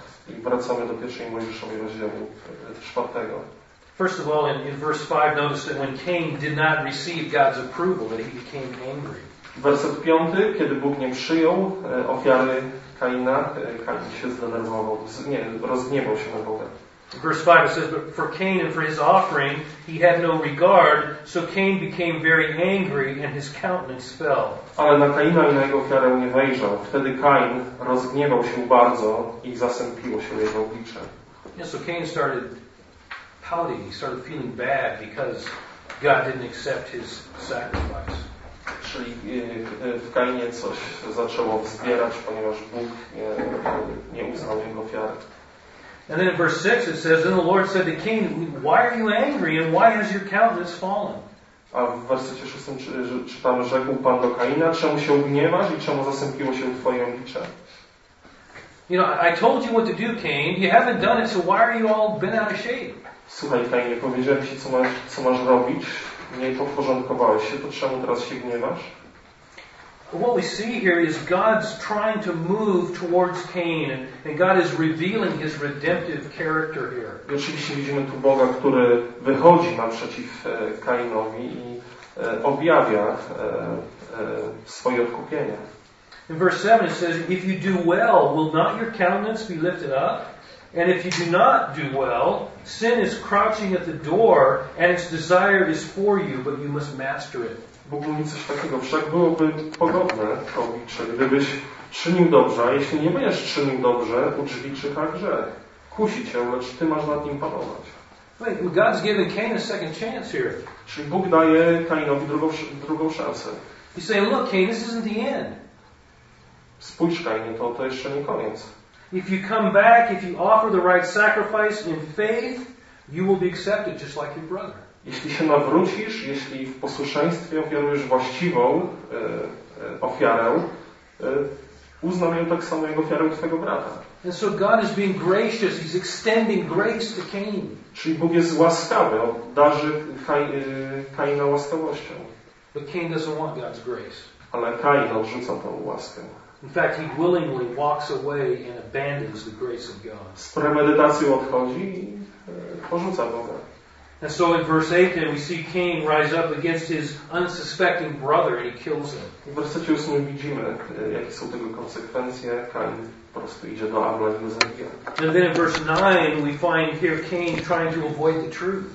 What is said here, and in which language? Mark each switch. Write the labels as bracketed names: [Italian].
[Polish] I wracamy do pierwszej Mojżeszowej rozdziału 4. [English] First of all, in verse 5, notice that when Cain did not receive God's approval, that he became angry. [Polish] Werset 5, kiedy Bóg nie przyjął ofiary Kaina, Kain się zdenerwował, rozgniewał się na Boga. [English] Verse 5 it says, but for Cain and for his offering he had no regard, so Cain became very angry and his countenance fell. [Polish] Ale na Kaina i na jego ofiarę nie wejrzał. Wtedy Kain rozgniewał się bardzo i zasępiło się jego oblicze. [English] And so Cain started pouting. He started feeling bad because God didn't accept his sacrifice. [Polish] Czyli w Kainie coś zaczęło wzbierać, ponieważ Bóg nie uznał jego ofiary. [English] And then in verse 6 it says, then the Lord said to Cain, why are you angry and why has your countenance fallen? [Polish] A w wersecie 6 czytamy, rzekł Pan do Kaina, czemu się gniewasz i czemu zasępiło się twoje oblicze? [English] You know, I told you what to do, Cain. You haven't done it, so why are you all bent out of shape? [Polish] Słuchaj, Kainie, powiedziałem ci, co masz robić. Nie podporządkowałeś się, to czemu teraz się gniewasz? [English] What we see here is God's trying to move towards Cain, and God is revealing His redemptive character here. [Polish] Oczywiście widzimy tu Boga, który wychodzi naprzeciw Kainowi i objawia swoje odkupienie. [English] In verse 7 it says, if you do well, will not your countenance be lifted up? And if you do not do well, sin is crouching at the door, and its desire is for you, but you must master it. [Polish] Bóg mówi coś takiego, wszak byłoby pogodne to oblicze, gdybyś czynił dobrze, a jeśli nie będziesz czynił dobrze, u drzwi czeka grzech. Kusi cię, lecz ty masz nad nim panować. [English] God's given Cain a second chance here. [Polish] Czyli Bóg daje Kainowi drugą szansę. [English] He's saying, look, Cain, this isn't the end. [Polish] Spójrz, Kainie, to jeszcze nie koniec. [English] If you come back, if you offer the right sacrifice in faith, you will be accepted just like your brother. [Polish] Jeśli się nawrócisz, jeśli w posłuszeństwie ofiarujesz właściwą ofiarę, uznam ją tak samo jak ofiarę twojego brata. [English] And so God is being gracious. He's extending grace to Cain. [Polish] Czyli Bóg jest łaskawy, darzy Kaina łaskawością. [English] But Cain doesn't want God's grace. [Polish] Ale Kain odrzuca tą łaskę. [English] In fact, he willingly walks away and abandons the grace of God. [Polish] Z premedytacją odchodzi i porzuca Boga. [English] And so in verse 8 then we see Cain rise up against his unsuspecting brother and he kills him. [Polish] W wersecie 8 widzimy, jakie są tego konsekwencje. Cain po prostu idzie do Abla i go zabija. [English] And then in verse 9 we find here Cain trying to avoid the truth.